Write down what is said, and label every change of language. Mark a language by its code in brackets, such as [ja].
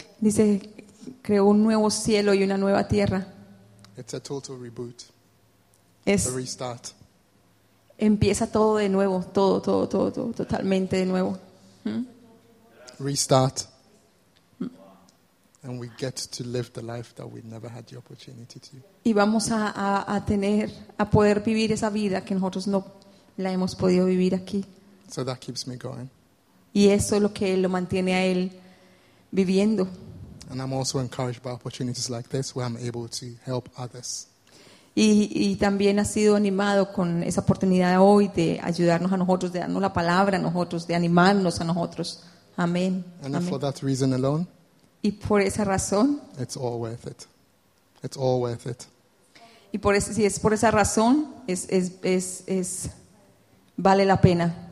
[es] Dice, creó un nuevo cielo y una nueva tierra. [en] It's a total reboot. [es] Es [en] a restart. [es] Empieza todo de nuevo, todo, totalmente de nuevo. [en] Restart. And we get to live the life that we never had the opportunity to. [es] Y vamos a tener, a poder vivir esa vida que nosotros no la hemos podido vivir aquí. [en] So that keeps me going. [es] Y eso es lo que lo mantiene a él viviendo. [en] And I'm also encouraged by opportunities like this where I'm able to help others. [es] Y también ha sido animado con esa oportunidad hoy de ayudarnos a nosotros, de darnos la palabra a nosotros, de animarnos a nosotros. Amén. [en] And for that reason alone, [es] y por esa razón, [en] it's all worth it. It's all worth it. [es] Y por eso, si es por esa razón, es vale la pena.